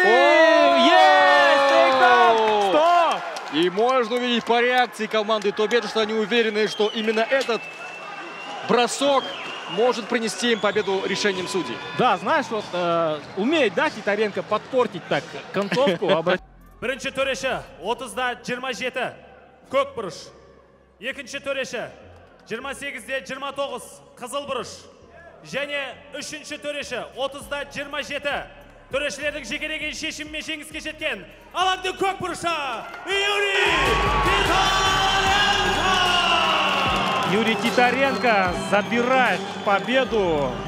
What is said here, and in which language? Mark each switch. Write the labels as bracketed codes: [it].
[ru] Есть! Тейкдаун! Стоп! И можно увидеть по реакции команды Тобеджи, что они уверены, что именно этот бросок может принести им победу решением судей. Да, знаешь, вот умеет, да, Титаренко подпортить так концовку, обратить. [kk] Бірінші төреші 30-27 көк бұрыш. Екінші төреші 28-29 қызыл бұрыш. Және үшінші төреші 30-27 төрешілердің жекелеген шешімімен жеңіске жеткен алаңды көк бұрыша Юрий Титаренко! [ru] Юрий Титаренко забирает победу.